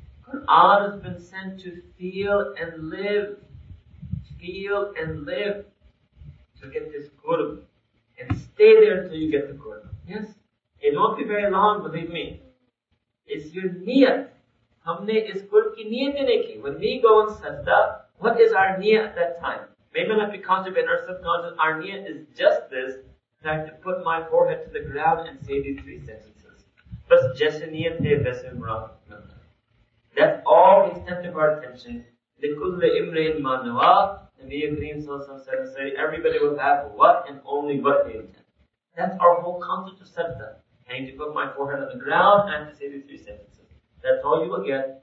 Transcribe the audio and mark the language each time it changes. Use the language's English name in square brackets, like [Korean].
[English] Quran has been sent to feel and live. Feel and live. To get this qurb. And stay there until you get the qurb. Yes? It won't be very long, believe me. It's your niyat. [Urdu] ہم نے اس قرب کی نیت ہی نہیں کی۔ [English] When we go on sajda, what is our niyat at that time? Maybe not be conscious in our subconscious. Our niyat is just this, that to put my forehead to the ground and say these 3 sentences. [Urdu] بس جیسے نیت ہے ویسے مراد۔ [English] That's all he sent to our attention. [Arabic] لِكُلِّ إِمْرِيَ الْمَانُوَىٰ Nabiya Kareem s.a.w. [English] said, everybody will have what and only what they intend. That's our whole concept of sajda. I need to put my forehead on the ground and to say the 3 sentences. That's all you will get.